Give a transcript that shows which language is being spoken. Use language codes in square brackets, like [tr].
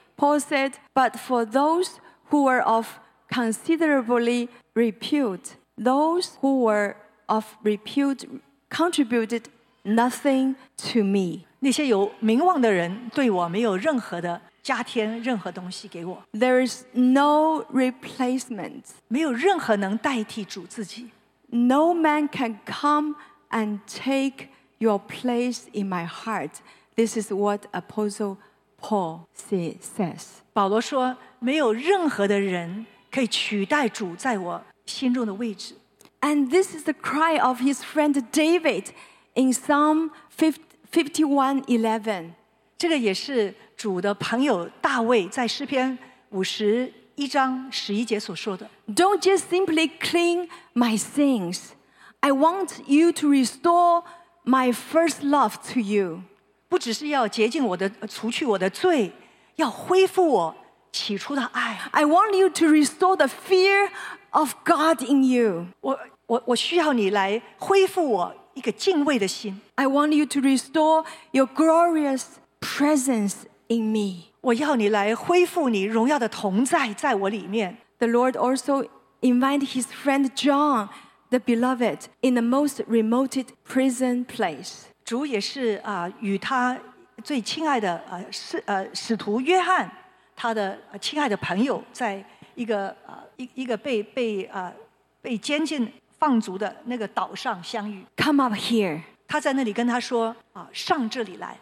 [en] Paul said, But for those who were of considerably repute, those who were of repute contributed nothing to me. [zh] 那些有名望的人对我没有任何的加添任何东西给我。 [en] There is no replacement. [zh] 没有任何能代替主自己。 [en] No man can come and take your place in my heart. This is what Apostle Paul says. [zh] 保罗说，没有任何的人可以取代主在我心中的位置。 [en] And this is the cry of his friend David in Psalm 51:11. [zh] 这个也是主的朋友大卫在诗篇51:11所说的。 [en] Don't just simply clean my sins. I want you to restore my first love to you. [zh] 不只是要洁净我的，除去我的罪，要恢复我起初的爱。 [en] I want you to restore the fear of God in you. [zh] 我需要你来恢复我一个敬畏的心。 [en] I want you to restore your glorious presence in me. [zh] 我要你来恢复你荣耀的同在在我里面。 [en] The Lord also invited his friend John, the beloved, in the most remote prison place. [zh] 主也是与他最亲爱的使徒约翰，他的亲爱的朋友，在一个被监禁放逐的那个岛上相遇。 [en] Come up here， [zh] 他在那里跟他说上这里来。